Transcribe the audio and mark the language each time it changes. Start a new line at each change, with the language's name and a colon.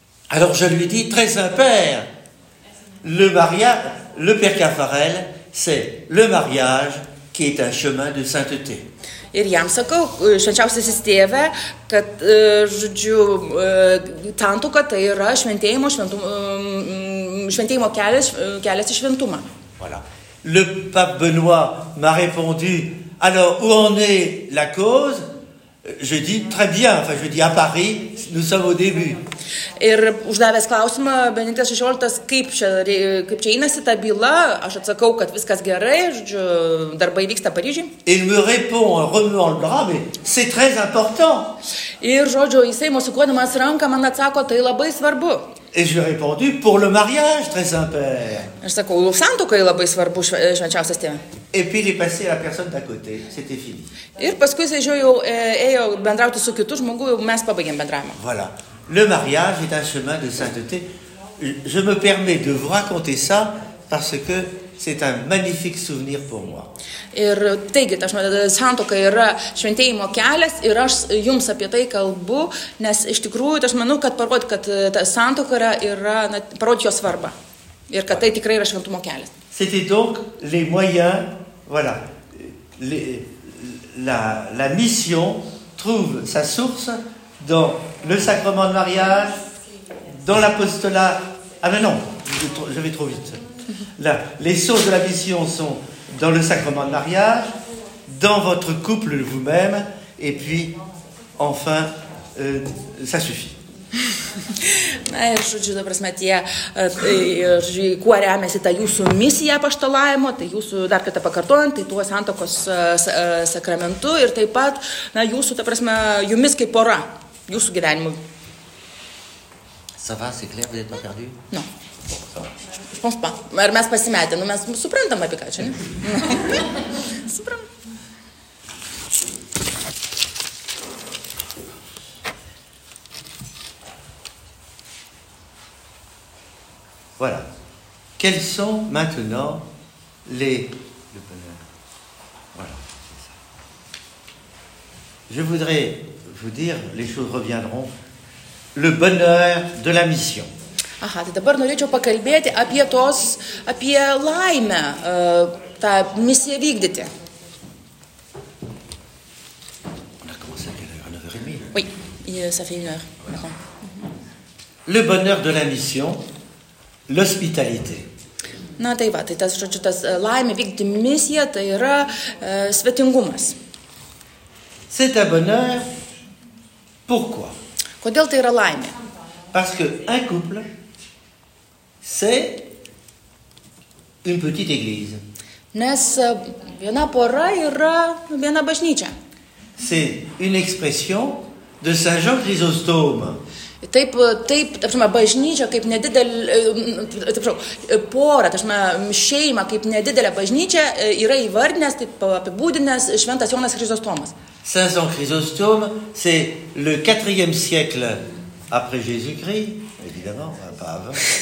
French: Alors je lui dis, très simple, le mariage, le Père Caffarel, c'est le mariage qui est un chemin de sainteté.
Lithuanian: Ir jam sakau, švenčiausiasis tėve, kad žodžiu, santuoka tai yra šventėjimo, šventėjimo kelias, kelias į šventumą.
French: Voilà. Le pape Benoît m'a répondu, alors où en est la cause? Je dis très bien, enfin je dis à Paris, nous sommes au début.
Lithuanian: Ir uždavęs klausimą Benediktas 16, kaip čia einasi ta byla, aš atsakau, kad viskas gerai, žodžiu, darbai vyksta Paryžiui.
French: Il me répond en remuant le bras, mais c'est très important.
Lithuanian: Ir žodžiu, jisai mosikuodamas ranką man atsako, tai labai svarbu.
French: Et je lui ai répondu pour le mariage, très saint-père.
Lithuanian: Aš sakau, santuokai labai svarbu švenčiausias tėve.
French: Et puis il est passé à la personne d'à côté, c'était fini.
Lithuanian: Ir paskui jisai žiūrėjau, ėjo bendrauti su kitu žmogu, mes pabaigėm bendravimą.
French: Voilà. Le mariage est un chemin de sainteté. Je me permets de vous raconter ça parce que c'est un magnifique souvenir pour moi.
Lithuanian: Ir taigi, ta santuoka yra šventėjimo kelias ir aš jums apie tai kalbu, nes iš tikrųjų aš manau, kad parodyt, kad ta santuoka yra parodyt jo svarbą ir kad tai tikrai yra šventumo kelias.
French: C'était donc les moyens, voilà, les, la mission trouve sa source dans le sacrement de mariage, dans l'apostolat. Ah mais non, je vais trop vite. Là, les sources de la mission sont dans le sacrement de mariage, dans votre couple vous-même, et puis enfin, ça suffit.
Lithuanian: Na ir žodžiu, ta prasme, tie, tai, žodžiu, kuo remiasi ta jūsų misija apaštalavimo, tai jūsų dar kartą pakartojant, tai tuo santokos sakramentu ir taip pat, na, jūsų, ta prasme, jumis kaip pora, jūsų gyvenimu.
French: Ça va, c'est clair, vous n'êtes pas perdu? Non. Je pense pas.
Lithuanian: Ar mes pasimetė, nu mes suprantam apie ką čia, ne? Suprantam.
French: Voilà. Quels sont maintenant les... Le bonheur. Voilà, c'est ça. Je voudrais vous dire, les choses reviendront, le bonheur de la mission.
Lithuanian: Aha, tai dabar norėčiau pakalbėti apie tos, apie laimę, tą misiją vykdyti.
French: On a commencé à 9h30. Oui, ça fait une heure. Voilà. Le bonheur de la mission... L'hospitalité.
Lithuanian: Na, tai va, tai tas, žodžiu, tas laimė vykdyti misiją, tai yra svetingumas.
French: C'est un bonheur. Pourquoi?
Lithuanian: Kodėl tai yra laimė?
French: Parce que un couple, c'est une petite église.
Lithuanian: Nes viena pora yra viena bažnyčia.
French: C'est une expression de Saint Jean Chrysostome.
Lithuanian: Taip, taip, taip, taip, bažnyčia kaip nedidelė, taip, pora, taip, šeima kaip nedidelė bažnyčia yra įvardinęs, taip, apibūdinęs šventas Jonas Chrysostomas.
French: Saint Jean Chrysostome, c'est le 4e siècle après Jésus-Christ, évidemment, pas avant.